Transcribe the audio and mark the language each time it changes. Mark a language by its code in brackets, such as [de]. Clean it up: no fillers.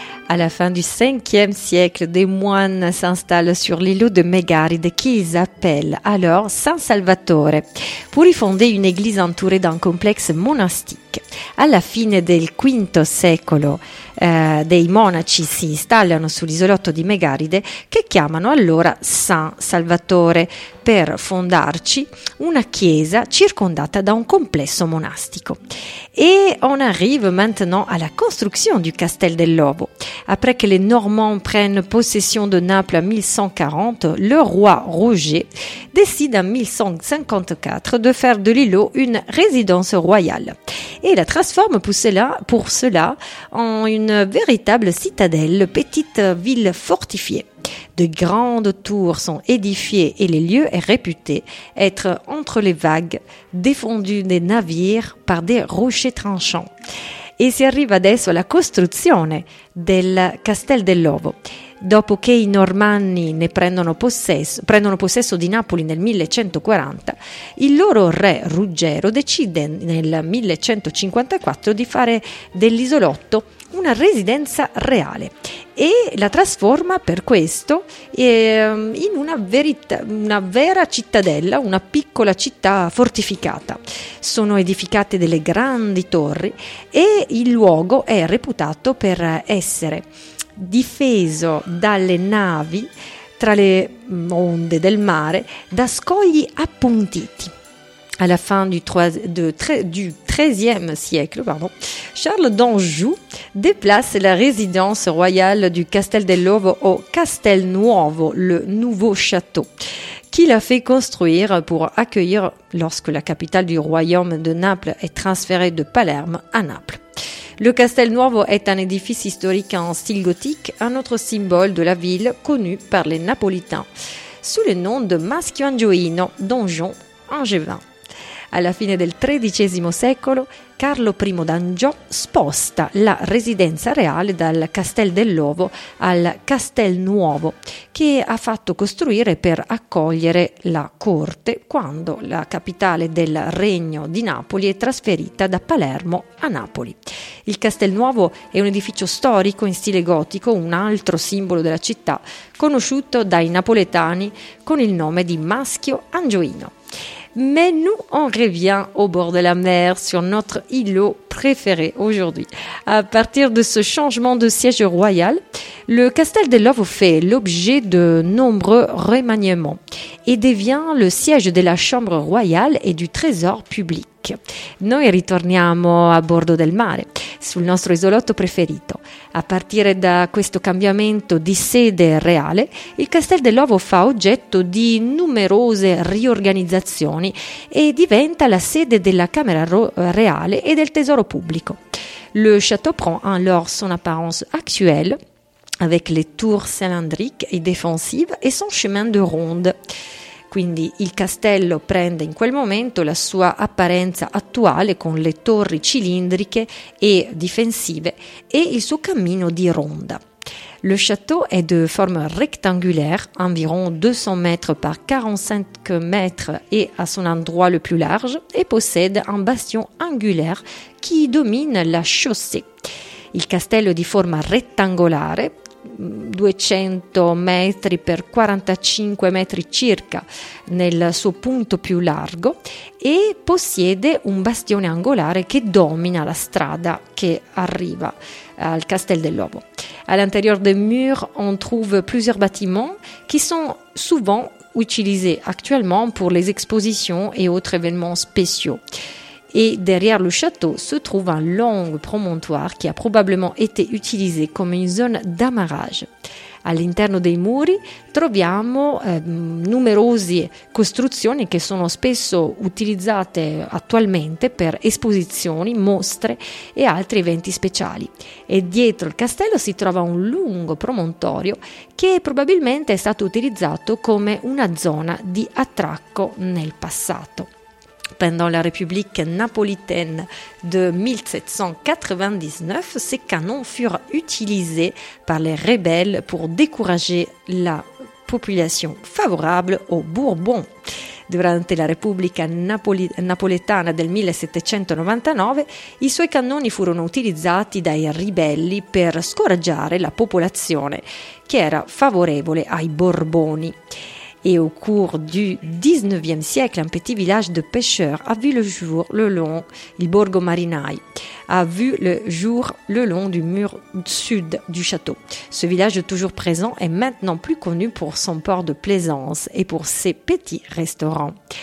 [fr] à la fin du 5e siècle, des moines s'installent sur l'îlot de Mégaride qu'ils appellent alors San Salvatore pour y fonder une église entourée d'un complexe monastique. [it] À la fine del V secolo, dei monaci si installano sull'isolotto di Mégaride che chiamano allora San Salvatore per fondarci una chiesa circondata da un complesso monastico. [fr] Et on arrive maintenant à la construction du Castel dell'Ovo. Après que les Normands prennent possession de Naples en 1140, le roi Roger décide en 1154 de faire de l'îlot une résidence royale. Et la transforme pour cela en une véritable citadelle, petite ville fortifiée. De grandes tours sont édifiées et le lieu est réputé être entre les vagues, défendu des navires par des rochers tranchants. [it] Et si arrive adesso la costruzione del Castel dell'Ovo. Dopo che i Normanni ne prendono possesso di Napoli nel 1140, il loro re Ruggero decide nel 1154 di fare dell'isolotto una residenza reale e la trasforma per questo in una vera cittadella, una piccola città fortificata. Sono edificate delle grandi torri e il luogo è reputato per essere difeso dalle navi tra le onde del mare da scogli appuntiti. Alla fine [fr] du XIIIe siècle, Charles d'Anjou déplace la résidence royale du Castel dell'Ovo au Castel Nuovo, le nouveau château, qu'il a fait construire pour accueillir lorsque la capitale du royaume de Naples est transférée de Palerme à Naples. Le Castel Nuovo est un édifice historique en style gothique, un autre symbole de la ville connu par les Napolitains, sous le nom de Maschio Angioino, donjon angevin. [it] À la fine del XIIIe secolo, Carlo I d'Anjou sposta la residenza reale dal Castel dell'Ovo al Castel Nuovo, che ha fatto costruire per accogliere la corte quando la capitale del regno di Napoli è trasferita da Palermo a Napoli. Il Castel Nuovo è un edificio storico in stile gotico, un altro simbolo della città, conosciuto dai napoletani con il nome di Maschio Angioino. [fr] Mais nous, on revient au bord de la mer sur notre îlot préféré aujourd'hui. À partir de ce changement de siège royal, le Castel dell'Ovo fait l'objet de nombreux remaniements et devient le siège de la chambre royale et du trésor public. [it] Noi ritorniamo a bordo del mare, sul nostro isolotto preferito. A partire da questo cambiamento di sede reale, il Castel dell'Ovo fa oggetto di numerose riorganizzazioni e diventa la sede della Camera Reale e del Tesoro Pubblico. [fr] Le château prend alors son apparence actuelle, avec les tours cylindriques et défensives et son chemin de ronde. [it] Quindi il castello prende in quel momento la sua apparenza attuale con le torri cilindriche e difensive e il suo cammino di ronda. [fr] Le château est de forme rectangulaire, environ 200 mètres par 45 mètres et à son endroit le plus large, et possède un bastion angulaire qui domine la chaussée. [it] Il castello di forma rettangolare, 200 metri per 45 metri circa nel suo punto più largo e possiede un bastione angolare che domina la strada che arriva al Castel dell'Ovo. [fr] À l'intérieur des murs, on trouve plusieurs bâtiments qui sont souvent utilisés actuellement pour les expositions et autres événements spéciaux. Et derrière le château se trouve un long promontoire qui a probablement été utilisé comme une zone d'amarrage. [it] All'interno dei muri troviamo numerose costruzioni che sono spesso utilizzate attualmente per esposizioni, mostre e altri eventi speciali. E dietro il castello si trova un lungo promontorio che probabilmente è stato utilizzato come una zona di attracco nel passato. [fr] Pendant la République napolitaine de 1799, ces canons furent utilisés par les rebelles pour décourager la population favorable aux Bourbons. [it] Durante la Repubblica Napoletana del 1799, i suoi cannoni furono utilizzati dai ribelli per scoraggiare la popolazione che era favorevole ai Borboni. [fr] Et au cours du XIXe siècle, un petit village de pêcheurs a vu le jour le long, il Borgo Marinai, a vu le jour le long du mur sud du château. Ce village toujours présent est maintenant plus connu pour son port de plaisance et pour ses petits restaurants.